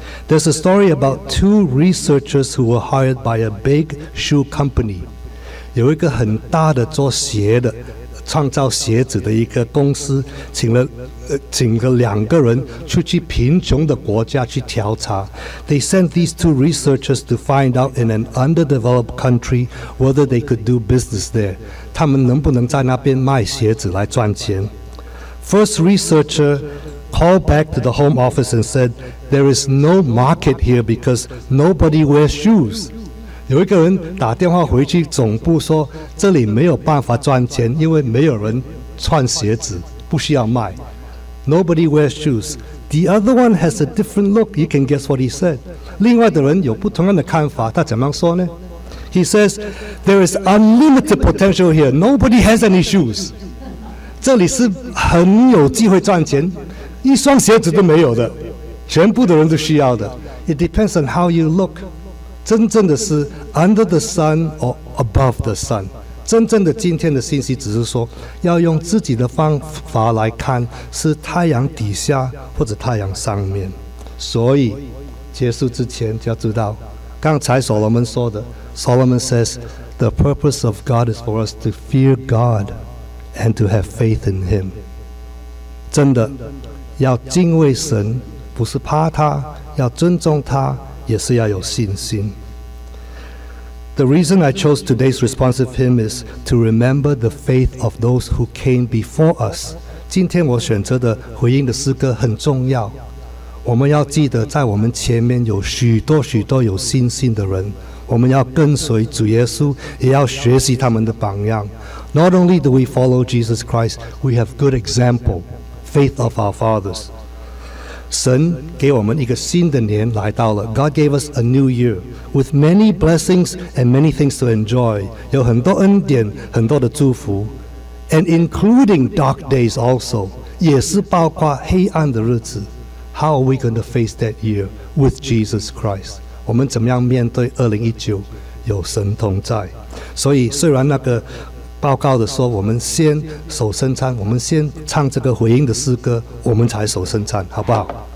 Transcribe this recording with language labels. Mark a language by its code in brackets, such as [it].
[en] There's a story about two researchers who were hired by a big shoe company. [zh] 有一个很大的做鞋的，创造鞋子的一个公司，请了两个人出去贫穷的国家去调查。 [en] They sent these two researchers to find out in an underdeveloped country whether they could do business there. [zh] 他们能不能在那边卖鞋子来赚钱？ [en] First researcher called back to the home office and said, "There is no market here because nobody wears shoes." [zh] 有一个人打电话回去总部说，这里没有办法赚钱，因为没有人穿鞋子，不需要卖。 [en] Nobody wears shoes. The other one has a different look. You can guess what he said. [zh] 另外的人有不同样的看法，他怎么说呢？ [en] He says, there is unlimited potential here. Nobody has any shoes. [zh] 这里是很有机会赚钱，一双鞋子都没有的，全部的人都需要的。 [en] It depends on how you look. [zh] 真正的是 [en] under the sun or above the sun. [zh] 真正的今天的信息只是说，要用自己的方法来看，是太阳底下或者太阳上面。所以，结束之前就要知道，刚才所罗门说的， [en] Solomon says, the purpose of God is for us to fear God and to have faith in Him. [zh] 真的，要敬畏神，不是怕他，要尊重他，也是要有信心。 [en] The reason I chose today's responsive hymn is to remember the faith of those who came before us. [zh] 今天我选择的回应的诗歌很重要。我们要记得在我们前面有许多许多有信心的人，我们要跟随主耶稣，也要学习他们的榜样。 [en] Not only do we follow Jesus Christ, we have good example, faith of our fathers. [zh] 神给我们一个新的年来到了， [en] God gave us a new year with many blessings and many things to enjoy. [zh] 有很多恩典，很多的祝福， [en] and including dark days also, [zh] 也是包括黑暗的日子。 [en] How are we going to face that year with Jesus Christ? [zh] 我们怎么样面对2019？ 有神同在。所以虽然那个报告的说我们先守圣餐，我们先唱这个回应的诗歌，我们才守圣餐，好不好？